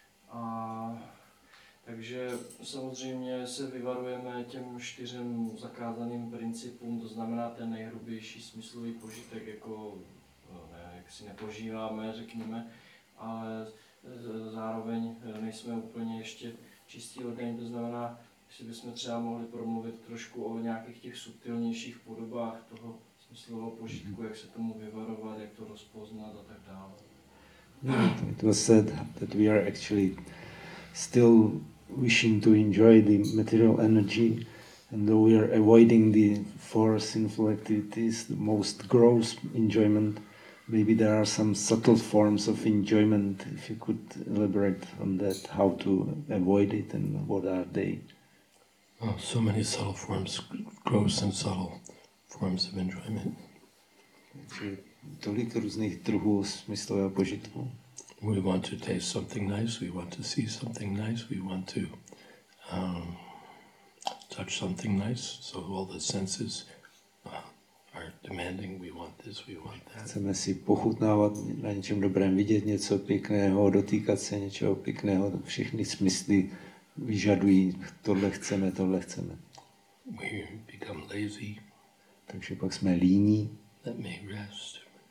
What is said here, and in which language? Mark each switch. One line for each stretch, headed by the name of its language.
Czech: A takže samozřejmě se vyvarujeme těm čtyřem zakázaným principům, to znamená ten nejhrubější smyslový požitek, jako ne, jak si nepožíváme, řekněme, ale zároveň nejsme úplně ještě čistí od něj, to znamená, jestli bychom třeba mohli promluvit trošku o nějakých těch subtilnějších podobách toho smyslového požitku, jak se tomu vyvarovat, jak to rozpoznat a tak dále.
English: It was said that we are actually still wishing to enjoy the material energy, and though we are avoiding the four sinful activities, the most gross enjoyment, maybe there are some subtle forms of enjoyment. If you could elaborate on that, how to avoid it and what are they? Oh, so many subtle forms, gross and subtle forms of enjoyment.
Czech: Tolik různých druhů smyslového požitku.
English: We want to taste something nice, we want to see something nice, we want to touch something nice. So all the senses are demanding, we want this, we want that.
Czech: Chceme si pochutnávat na něčem dobrém, vidět něco pěkného, dotýkat se něčeho pěkného. Všechny smysly vyžadují, tohle chceme, tohle chceme.
English: We become lazy.
Czech: Takže pak jsme líní.
English: Let me rest.